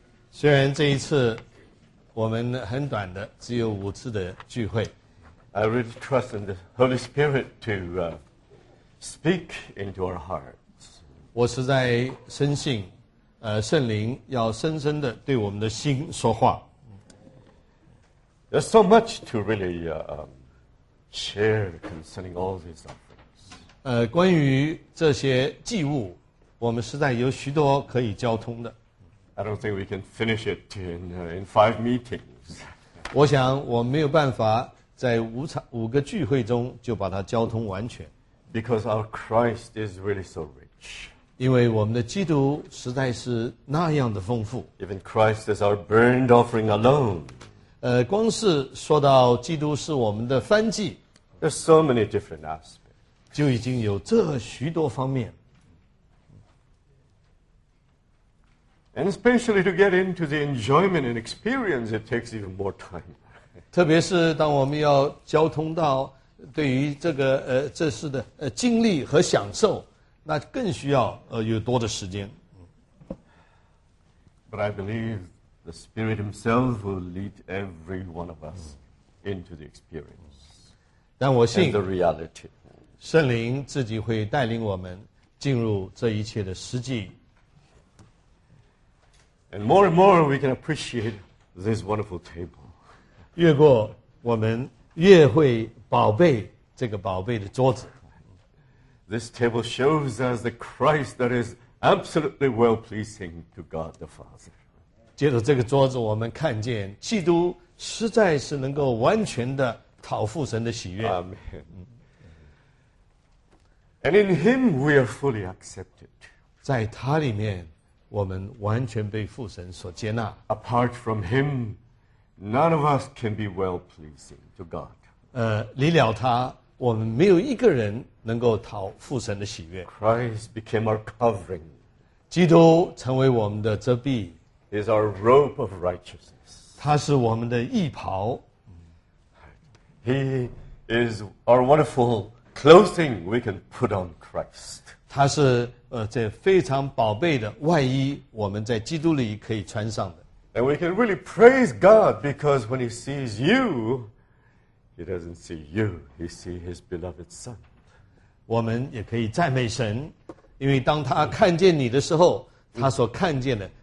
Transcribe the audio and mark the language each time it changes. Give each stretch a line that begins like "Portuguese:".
Chinese: 虽然这一次我们很短的，只有五次的聚会。
English: I really trust in the Holy Spirit to speak into our hearts.
Chinese: 我实在深信，圣灵要深深的对我们的心说话。
English: There's so much to really share concerning all these things.
Chinese: 关于这些祭物，我们实在有许多可以交通的。
English: I don't think we can finish it in five meetings.
Chinese: 我想我没有办法在五个聚会中就把它交通完全。
English: Because our Christ is really so rich.
Chinese: 因为我们的基督实在是那样的丰富。
English: Even Christ is our burnt offering alone.
Chinese: 光是说到基督是我们的燔祭
English: There's so many different aspects.
Chinese: 就已经有这许多方面。
English: And especially to get into the enjoyment and experience, it takes even more time.
Chinese: 特别是当我们要交通到对于这个这事的经历和享受，那更需要有多的时间。
English: But I believe. The Spirit Himself will lead every one of us into the experience.
Chinese: 但我信
English: and the reality.
Chinese: 圣灵自己会带领我们进入这一切的实际。
English: And more we can appreciate this wonderful table.
Chinese: 越过我们越会宝贝这个宝贝的桌子。
English: This table shows us the Christ that is absolutely well-pleasing to God the Father.
Chinese: 借着这个桌子我们看见基督实在是能够完全的讨父神的喜悦。
English: Amen. And in him we are fully accepted.
Chinese: 在他里面我们完全被父神所接纳。
English: Apart from him, none of us can be well-pleasing to God.
Chinese: 离了他我们没有一个人能够讨父神的喜悦。
English: Christ became our covering.
Chinese: 基督成为我们的遮蔽。
English: Is our robe of righteousness.
Chinese: 他是我们的义袍。
English: He is our wonderful clothing we can put on Christ.
Chinese: 他是这非常宝贝的外衣，我们在基督里可以穿上的。
English: And we can really praise God because when He sees you, He doesn't see you; He sees His beloved Son.
Chinese: 我们也可以赞美神，因为当他看见你的时候，他所看见的。